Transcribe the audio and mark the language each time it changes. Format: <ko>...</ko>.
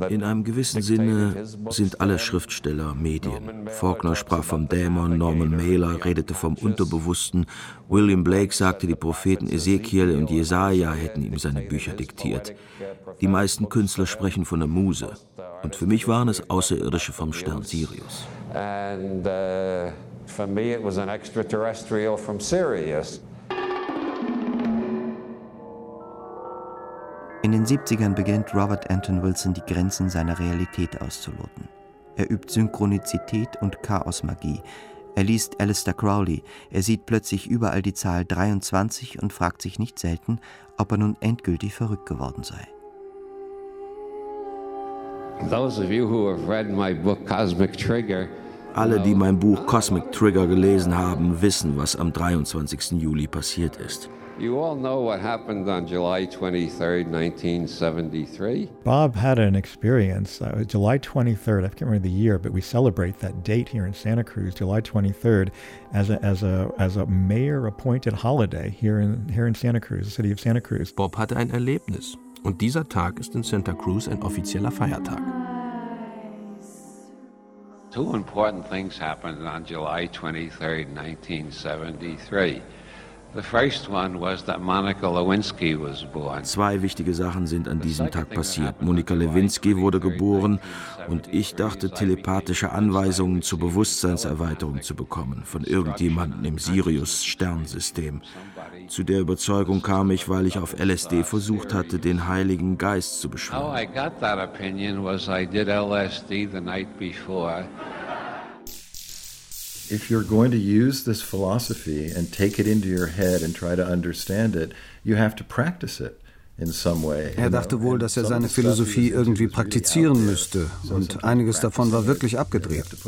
<de>In einem gewissen Sinne sind alle Schriftsteller Medien. Faulkner sprach vom Dämon, Norman Mailer redete vom Unterbewussten, William Blake sagte, die Propheten Ezekiel und Jesaja hätten ihm seine Bücher diktiert. Die meisten Künstler sprechen von der Muse. Und für mich waren es Außerirdische vom Stern Sirius.</de> <en>And for me it was an extraterrestrial from Sirius.</en> <de>In den 70ern beginnt Robert Anton Wilson, die Grenzen seiner Realität auszuloten. Er übt Synchronizität und Chaosmagie. Er liest Aleister Crowley. Er sieht plötzlich überall die Zahl 23 und fragt sich nicht selten, ob er nun endgültig verrückt geworden sei.</de> <en>Those of you who have read my book Cosmic Trigger.</en> <de>Alle, die mein Buch Cosmic Trigger gelesen haben, wissen, was am 23. Juli passiert ist.</de> <en>You all know what happened on July 23, 1973. Bob had an experience. It was July 23rd. I can't remember the year, but we celebrate that date here in Santa Cruz, July 23rd, as a mayor-appointed holiday here in Santa Cruz, the city of Santa Cruz.</en> <de>Bob hatte ein Erlebnis, und dieser Tag ist in Santa Cruz ein offizieller Feiertag.</de> <en>Two important things happened on July 23, 1973. The first one was that Monica Lewinsky was born.</en> <de>Zwei wichtige Sachen sind an diesem Tag passiert. Monica Lewinsky wurde geboren und ich dachte, telepathische Anweisungen zur Bewusstseinserweiterung zu bekommen von irgendjemandem im Sirius-Sternsystem. Zu der Überzeugung kam ich, weil ich auf LSD versucht hatte, den Heiligen Geist zu beschwören.</de> <en>How I got that opinion was I did LSD the night before. If you're going to use this philosophy and take it into your head and try to understand it, you have to practice it in some way.</en> <de>Er dachte wohl, dass er seine Philosophie irgendwie praktizieren müsste, und einiges davon war wirklich abgedreht.</de>